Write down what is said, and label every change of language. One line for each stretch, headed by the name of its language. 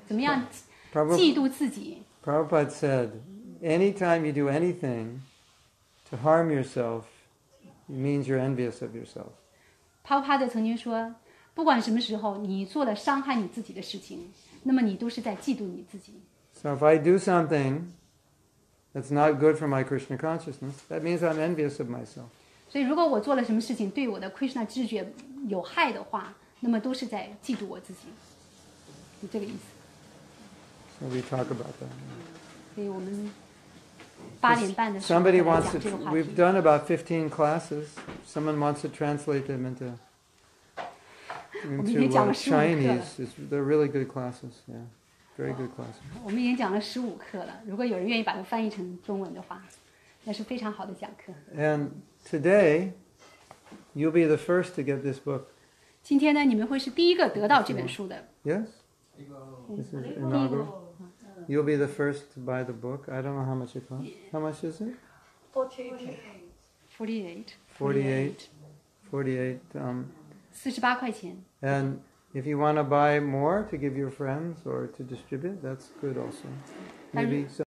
Chinese: 怎么样嫉妒自己
English: ？Prabhupada said, anytime you do anything to harm yourself, it means you're envious of yourself.
Chinese: Prabhupada 曾经说。不管什么时候你做了伤害你自己的事情，那么你都是在嫉妒你自己。
English: So if I do something that's not good for my Krishna consciousness, that means I'm envious of myself.
Chinese: 所以如果我做了什么事情对我的 Krishna 知觉有害的话，那么都是在嫉妒我自己。是这个意思。
English: So we talk about that.
Chinese: 所以我们八点半的时候
English: Somebody wants to, we've done about 15 classes. Someone wants to translate them into. Into Chinese, they're really good classes. Yeah, very good classes.
Chinese: 我们已经讲了十五课了。如果有人愿意把它翻译成中文的话，那是非常好的讲课。
English: And today, you'll be the first to get this book.
Chinese: 今天呢，你们会是第一个得到这本书的。
English: Yes. This is inaugural. You'll be the first to buy the book. I don't know how much it costs. How much is it? 48. And if you want to buy more to give your friends or to distribute, that's good also. Maybe some